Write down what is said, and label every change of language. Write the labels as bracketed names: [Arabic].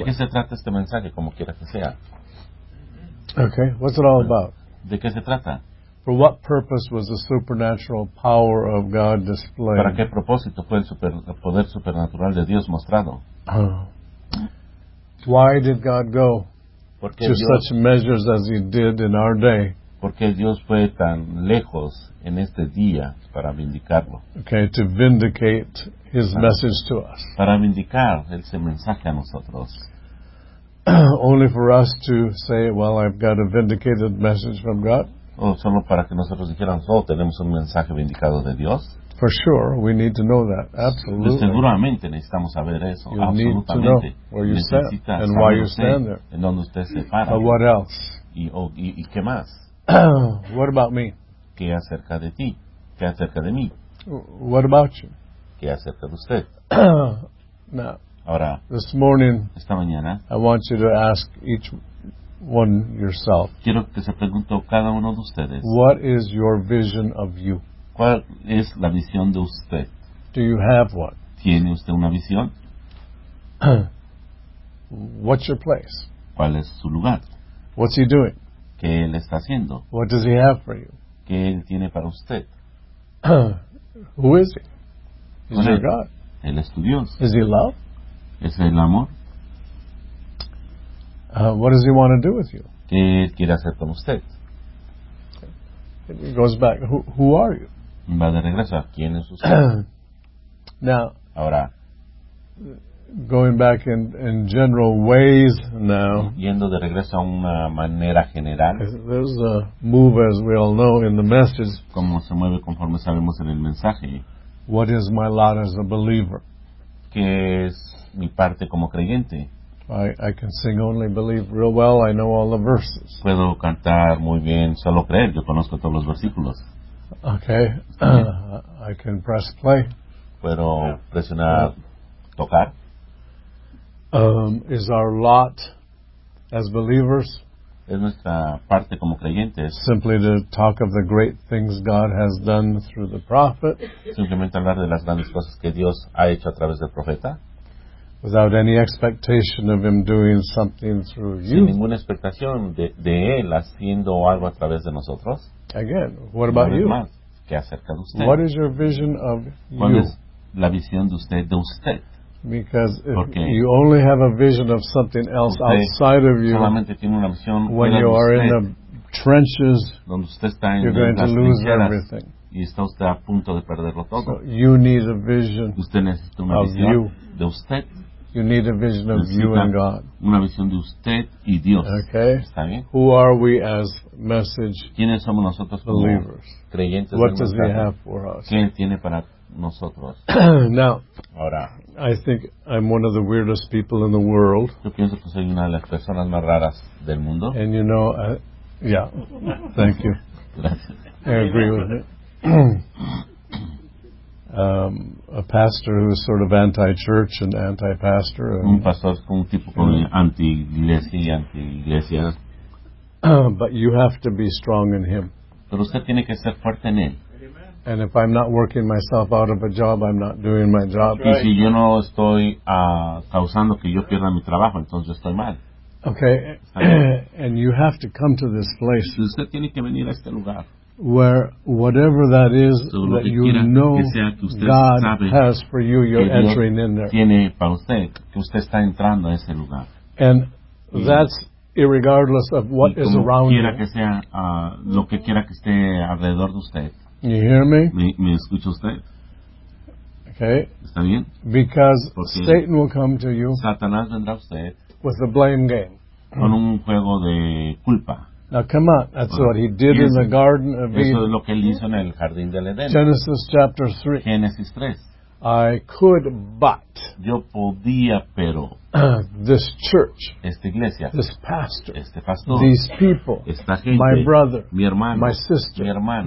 [Spanish] ¿De qué se trata este mensaje, como quiera que sea? [English] Okay, what's it all about? [Spanish] ¿De qué se trata? [English] For what purpose was the supernatural power of God displayed? [Spanish] ¿Para qué propósito fue el poder supernatural de Dios mostrado? [English] Why did God go to such measures as He did in our day? [Spanish] Porque Dios fue tan lejos en este día para vindicarlo. [English] Okay, to vindicate His message to us. [Spanish] Para vindicar ese mensaje a nosotros. [English] Only for us to say, "Well, I've got a vindicated message from God." [Spanish] O solo para que nosotros dijéramos, "Oh, tenemos un mensaje vindicado de Dios." [English] For sure, we need to know that. Absolutely. [Spanish] Seguramente necesitamos saber eso. [English] You [Spanish] absolutamente. [English] Need to know where you stand and why you stand there. [Spanish] En donde usted se para. [English] But what else? [Spanish] Y qué más? [English] What about me? [Spanish] ¿Qué acerca de ti? ¿Qué acerca de mí? [English] What about you? [Spanish] ¿Qué acerca de usted? [English] Now, [Spanish] ahora, [English] this morning, [Spanish] esta mañana, [English] I want you to ask each one yourself. [Spanish] Quiero que se pregunte cada uno de ustedes. [English] What is your vision of you? [Spanish] ¿Cuál es la visión de usted? [English] Do you have one? [Spanish] ¿Tiene usted una visión? [English] What's your place? [Spanish] ¿Cuál es su lugar? [English] What's he doing? [Spanish] ¿Qué él está haciendo? [English] What does he have for you? [Spanish] ¿Qué él tiene para usted? [English] Who is he? Is he God? [Spanish] Él es tu Dios. [English] Is he love? [Spanish] ¿Es el amor? [English] What does he want to do with you? [Spanish] ¿Qué quiere hacer con usted? [English] It goes back. Who are you? [Spanish] Va de regreso. ¿Quién es usted? [English] Now. [Spanish] Ahora. [English] Going back in general ways now. [Spanish] Yendo de regreso a una manera general. [English] There's a move, as we all know, in the message. [Spanish] Como se mueve conforme sabemos en el mensaje. [English] What is my lot as a believer? [Spanish] ¿Qué es mi parte como creyente? [English] I can sing only believe real well. I know all the verses. [Spanish] Puedo cantar muy bien, solo creer. Yo conozco todos los versículos. [English] Okay. I can press play. [Spanish] Puedo presionar, tocar. [English] is our lot as believers. [Spanish] Es nuestra parte como creyentes. [English] Simply to talk of the great things God has done through the prophet. [Spanish] Simplemente hablar de las grandes cosas que Dios ha hecho a través del profeta. [English] Without any expectation of him doing something through you. [Spanish] Sin ninguna expectación de él haciendo algo a través de nosotros. [English] Again, what about you? [Spanish] Más, ¿qué acerca de usted? [English] What is your vision of you? [Spanish] ¿Cuál es la visión de usted? [English] Because if you only have a vision of something else outside of you, [Spanish] solamente tiene una visión [English] when you are [Spanish] usted, [English] in the trenches, [Spanish] donde usted está [English] you're going to lose everything. [Spanish] Y está usted a punto de perderlo todo. [English] So you need a vision [Spanish] usted necesita una [English] of you. [Spanish] De usted. [English] You need a vision of [Spanish] necesita [English] you and God. [Spanish] Una visión de usted y Dios. [English] Okay. [Spanish] ¿Está bien? [English] Who are we as message [Spanish] ¿quiénes somos nosotros como [English] believers? [Spanish] Creyentes [English] what does he have for us? [Spanish] ¿Quién tiene para nosotros? [English] Now, [Spanish] ahora, [English] I think I'm one of the weirdest people in the world. [Spanish] Yo pienso que soy una de las personas más raras del mundo. [English] And you know, yeah, thank you. [Spanish] Gracias. [English] I agree with it. a pastor who is sort of anti-church and anti-pastor. [Spanish] Un pastor es como un tipo con anti-iglesia y anti-iglesia. [English] But you have to be strong in him. [Spanish] Pero usted tiene que ser fuerte en él. [English] And if I'm not working myself out of a job, I'm not doing my job. [Spanish] Y si yo no estoy causando que yo pierda mi trabajo, entonces yo estoy mal. [English] Okay. And you have to come to this place. [Spanish] Usted tiene que venir a este lugar. [English] Where whatever that is that you know God has for you, you're entering in there. [Spanish] Tiene para usted, que usted está entrando a ese lugar. [English] And that's irregardless of what is around you. [Spanish] Quiera que sea, lo que quiera que esté alrededor de usted. [English] You hear me? [Spanish] ¿Me escucha usted? [English] Okay. [Spanish] ¿Está bien? [English] Because Satan will come to you [Spanish] Satanás vendrá a usted [English] with a blame game. [Spanish] Con un juego de culpa. [English] Now come on, that's what he did in the Garden of Eden. [Spanish] Eso es lo que él hizo en el jardín del Edén. [English] Genesis chapter 3. [Spanish] Génesis 3. [English] I could, but. [Spanish] Yo podía, pero. [English] This church. [Spanish] Esta iglesia. [English] This pastor. [Spanish] Este pastor. [English] These people. [Spanish] Esta gente. [English] My brother. [Spanish] Mi hermano. [English] My sister. [Spanish] Mi hermana.